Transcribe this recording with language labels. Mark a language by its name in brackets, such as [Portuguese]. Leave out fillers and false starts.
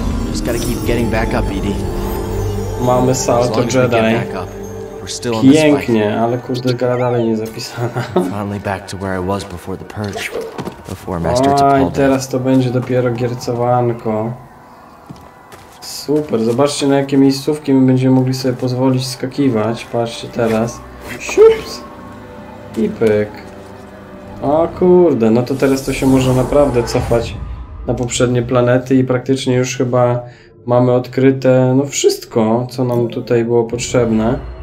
[English] Just gotta keep getting back up, Edie. [Polish] Mamy salto Jedi. Pięknie, ale kurde, gra dalej nie zapisana. [English] Finally back to where I was before the purge. Before Master Tipolda. [Polish] A i teraz to będzie dopiero giercowanko. Super, zobaczcie na jakie miejscówki my będziemy mogli sobie pozwolić skakiwać. Patrzcie teraz. Siups. I pyk. O kurde, no to teraz to się może naprawdę cofać na poprzednie planety i praktycznie już chyba mamy odkryte no wszystko, co nam tutaj było potrzebne.